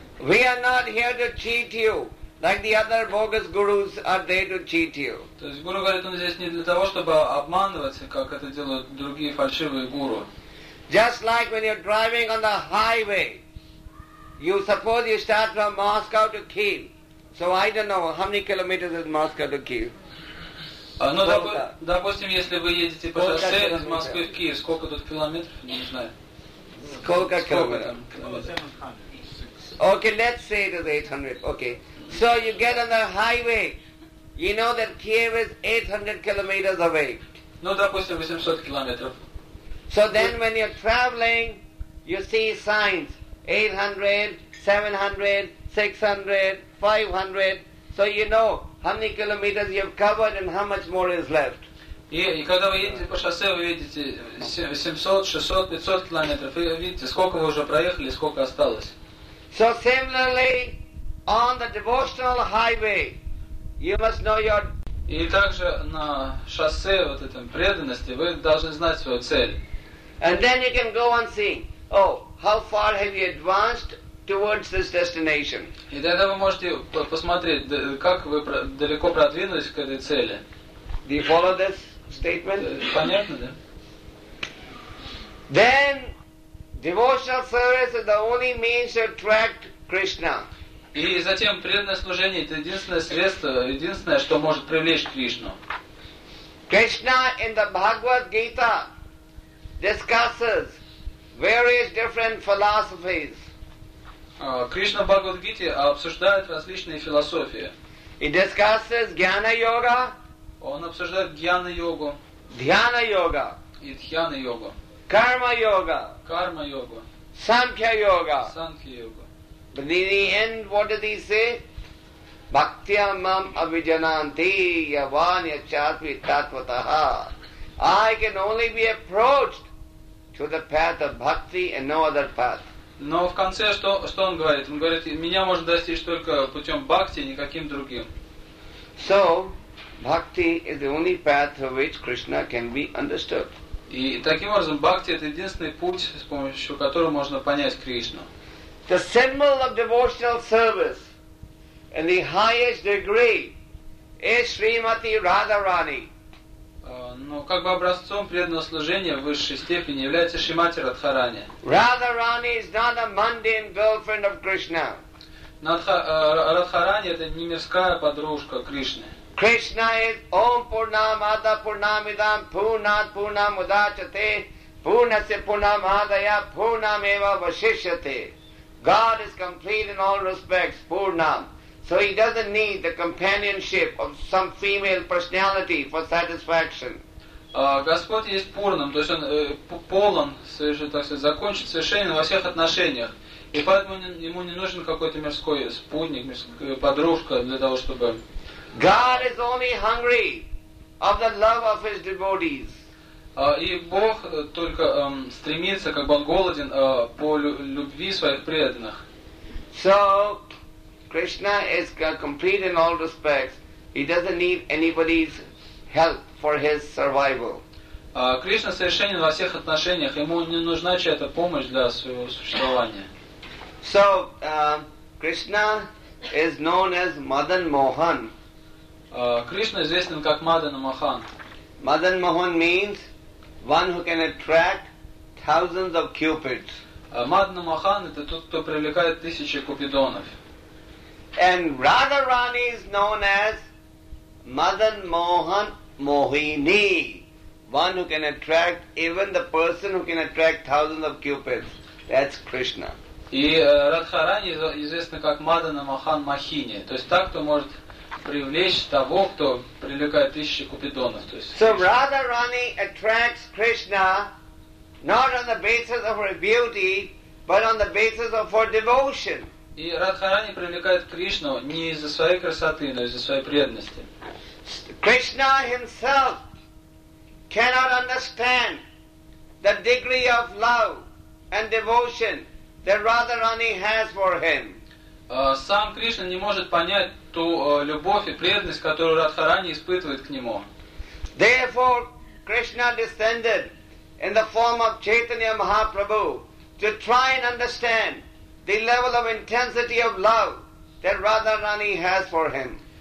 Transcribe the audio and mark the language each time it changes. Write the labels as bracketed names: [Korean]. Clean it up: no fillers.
[English] We are not here to cheat you, like the other bogus gurus are there to cheat you. [Russian] То есть гуру говорит, он здесь не для того, чтобы обманываться, как это делают другие фальшивые гуру. [English] Just like when you're driving on the highway, you suppose you start from Moscow to Kiev. So I don't know how many kilometers is Moscow to Kiev. [Russian] Допустим, если вы едете по шоссе из Москвы в Киев, сколько тут километров, не знаю. Сколько километров? [English] Okay, let's say it is 800. Okay. So you get on the highway, you know that Kiev is 800 kilometers away. [Russian] Ну, допустим, 800 километров. [English] So then when you're traveling, you see signs, 800, 700, 600, 500, so you know how many kilometers you've covered and how much more is left. [Russian] И когда вы едете по шоссе, вы видите 700, 600, 500 километров, и видите, сколько вы уже проехали, сколько осталось. [English] So similarly, on the devotional highway, you must know your... [Russian] И также на шоссе вот этом преданности вы должны знать свою цель. [English] And then you can go on seeing, how far have you advanced towards this destination? [Russian] И тогда вы можете посмотреть, как вы далеко продвинулись к этой цели. [English] Do you follow this statement? [Russian] Понятно, да? [English] Then devotional service is the only means to attract Krishna. [Russian] И затем преданное служение — это единственное средство, единственное, что может привлечь Кришну. [English] Krishna in the Bhagavad Gita discusses various different philosophies. [Russian] Кришна в Бхагавад-гите обсуждает различные философии. [English] He discusses Jnana-йога. [Russian] Он обсуждает Jnana-йогу. [English] Dhyana-йога. [Russian] И Dhyana-йогу. [English] Karma-йога. [Russian] Karma-йогу. [English] Samkhya-йога. [Russian] Samkhya-йогу. [English] But in the end, what does he say? [Sanskrit] Bhaktya mam avijananti yavanya chatvi tatvataha. [English] I can only be approached to the path of bhakti and no other path. [Russian] Но в конце что он говорит? Он говорит, меня можно достичь только путем бхакти, никаким другим. [English] So, bhakti is the only path through which Krishna can be understood. [Russian] И таким образом, бхакти — это единственный путь, с помощью которого можно понять Кришну. [English] The symbol of devotional service in the highest degree is Srimati Radharani. [Russian] Но как бы образцом преданного служения в высшей степени является Шримати Радхарани. [English] Radharani is not a mundane girlfriend of Krishna. [Russian] Радхарани — это не мирская подружка Кришны. [English] Krishna is [Sanskrit] Om Purnamada Purnamidam Purnat Purnamudachate Purnasya Purnam Adaya Purnam Eva Vashishyate. [English] God is complete in all respects, Purnam. So he doesn't need the companionship of some female personality for satisfaction. [Russian] Господь есть Пурнам, то есть он полон, так сказать, закончен совершенно во всех отношениях. И поэтому ему не нужен какой-то мирской спутник, подружка для того, чтобы... [English] God is only hungry of the love of his devotees. [Russian] И Бог только стремится, как бы он голоден, по любви своих преданных. [English] So, Krishna is complete in all respects. He doesn't need anybody's help for his survival. [Russian] Krishna совершенен во всех отношениях. Ему не нужна чья-то помощь для своего существования. [English] So, Krishna is known as Madan Mohan. [Russian] Krishna известен как Madan Mohan. [English] Madan Mohan means one who can attract thousands of cupids. [Russian] Madan Mohan — это тот, кто привлекает тысячи купидонов. [English] And Radharani is known as Madan Mohan Mohini, one who can attract, even the person who can attract thousands of cupids. That's Krishna. [Russian] И Радхарани известна как Мадана Махан Махини, то есть так, кто может привлечь того, кто привлекает тысячи купидонов. То есть [English] so Radharani attracts Krishna not on the basis of her beauty, but on the basis of her devotion. [Russian] И Радхарани привлекает Кришну не из-за своей красоты, но из-за своей преданности. [English] Krishna himself cannot understand the degree of love and devotion that Radharani has for him. [Russian] Сам Кришна не может понять ту любовь и преданность, которую Радхарани испытывает к нему. [English] Therefore, Krishna descended in the form of Chaitanya Mahaprabhu to try and understand the level of intensity of love that Radharani has for him.